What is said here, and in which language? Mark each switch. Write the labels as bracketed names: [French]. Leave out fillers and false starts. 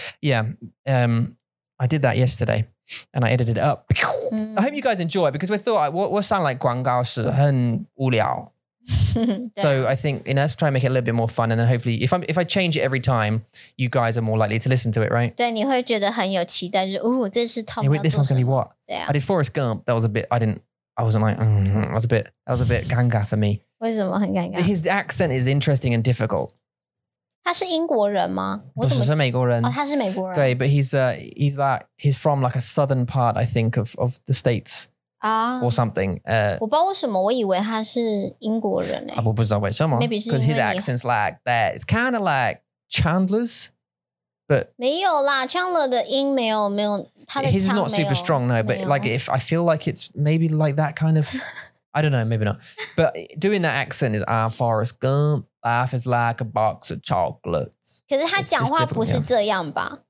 [English] Yeah, I did that yesterday, and I edited it up. I hope you guys enjoy it, because we thought what sound like [Chinese] 广告是很无聊. [English] So I think, you know, let's try and make it a little bit more fun, and then hopefully if I change it every time, you guys are more likely to listen to it, right? [Chinese] 对,你会觉得很有期待,就是,哦,这是Tom. [English] Yeah, this one's going to be what? Yeah. I did Forrest Gump. That was a bit, that was a bit ganga for me. [Chinese] 为什么很尴尬? [English] His accent is interesting and difficult. [Chinese] 他是英国人吗? 不是,是美国人。哦,他是美国人。 [English] 对, but he's from like a southern part, I think, of the States. Or something. [Chinese] 我不知道为什么,我以为他是英国人。我不知道为什么。 [English] Because his accent's like that. It's kind of like Chandler's, but... [Chinese] 没有啦,Chandler的音没有,没有... [English] His is not super strong, no, but like if I feel like it's maybe like that kind of, I don't know, maybe not. But doing that accent is, ah, Forrest Gump, life is like a box of chocolates. [Chinese] 可是他讲话不是这样吧?